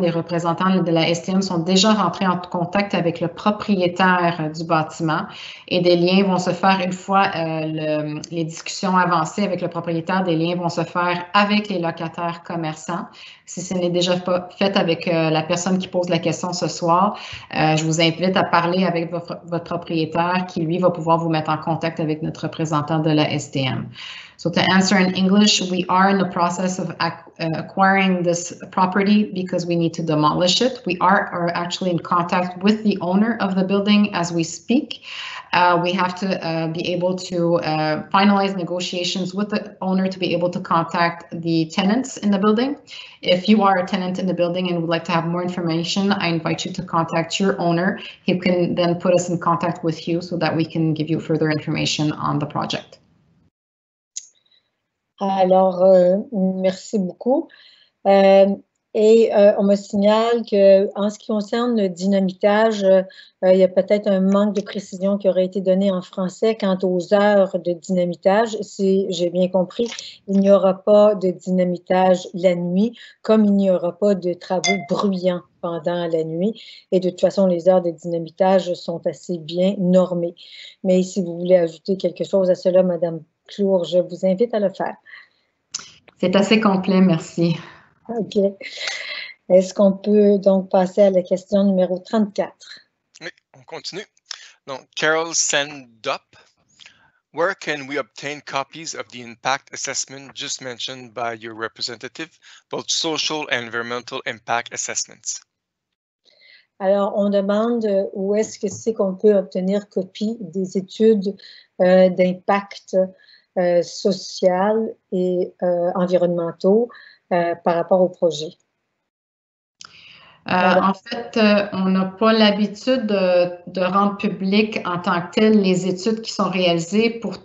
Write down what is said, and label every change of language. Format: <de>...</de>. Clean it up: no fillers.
<fr>Les représentants de la STM sont déjà rentrés en contact avec le propriétaire du bâtiment et des liens vont se faire une fois les discussions avancées avec le propriétaire. Des liens vont se faire avec les locataires commerçants. Si ce n'est déjà pas fait avec la personne qui pose la question ce soir, je vous invite à parler avec votre propriétaire qui, lui, va pouvoir vous mettre en contact avec notre représentant de la STM.</fr> <en>So to answer in English, we are in the process of acquiring this property because we need to demolish it. We are actually in contact with the owner of the building as we speak. We have to be able to finalize negotiations with the owner to be able to contact the tenants in the building. If you are a tenant in the building and would like to have more information, I invite you to contact your owner. He can then put us in contact with you so that we can give you further information on the project.</en> <fr>Alors, merci beaucoup. On me signale que en ce qui concerne le dynamitage, il y a peut-être un manque de précision qui aurait été donné en français quant aux heures de dynamitage. Si j'ai bien compris, il n'y aura pas de dynamitage la nuit, comme il n'y aura pas de travaux bruyants pendant la nuit. Et de toute façon, les heures de dynamitage sont assez bien normées. Mais si vous voulez ajouter quelque chose à cela, Madame Clour, je vous invite à le faire. C'est assez complet, merci. OK. Est-ce qu'on peut donc passer à la question numéro 34? Oui, on continue. Donc, Carol Sandup.</fr> <en>Where can we obtain copies of the impact assessment just mentioned by your representative, both social and environmental impact assessments?</en> <fr>Alors, on demande où est-ce que c'est qu'on peut obtenir copie des études d'impact social et environnementaux par rapport au projet? En fait, on n'a pas l'habitude de rendre public en tant que tel les études qui sont réalisées.</fr>